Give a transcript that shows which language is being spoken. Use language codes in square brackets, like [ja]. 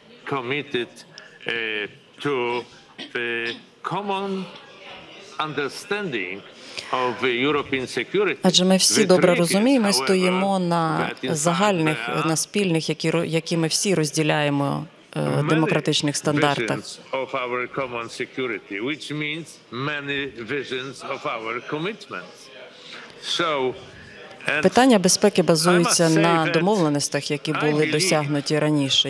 [en] Committed to the common understanding of European security. [uk] Адже ми всі добре розуміємо, стоїмо на загальних, на спільних, які ми всі розділяємо демократичних стандартах. [en] Of our common security, which means many visions of our commitments. So, [uk] питання безпеки базується на домовленостях, які були досягнуті раніше.